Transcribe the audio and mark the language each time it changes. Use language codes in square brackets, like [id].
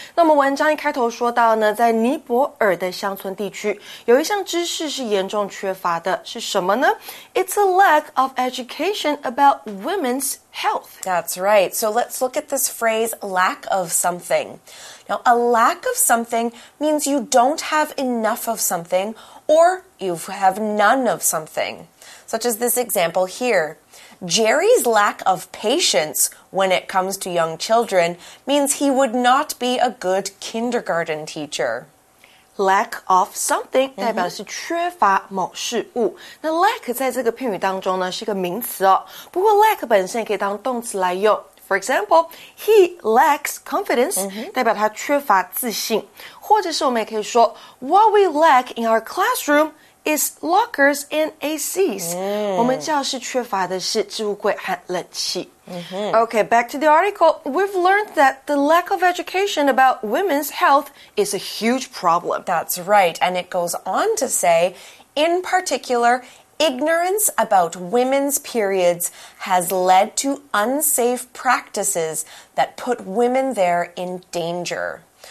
[zh] 那么文章一开头说到呢，在尼泊尔的乡村地区，有一项知识是严重缺乏的，是什么呢？ [en] It's a lack of education about women's health. That's right. So let's look at this phrase, lack of something. Now, a lack of something means you don't have enough of something or you have none of something. Such as this example here. Jerry's lack of patience when it comes to young children means he would not be a good kindergarten teacher. [zh] Lack of something 代表的是缺乏某事物。那 lack 在这个片语当中呢是一个名词哦。不过 lack 本身也可以当动词来用。 [en] For example, he lacks confidence, [zh] 代表他缺乏自信。或者是我们也可以说 [en] what we lack in our classroom is lockers and ACs. Mm. [zh] 我们教室缺乏的是置物柜和冷气。 Mm-hmm. [en] Okay, back to the article. We've learned that the lack of education about women's health is a huge problem. That's right. And it goes on to say, in particular, ignorance about women's periods has led to unsafe practices that put women there in danger.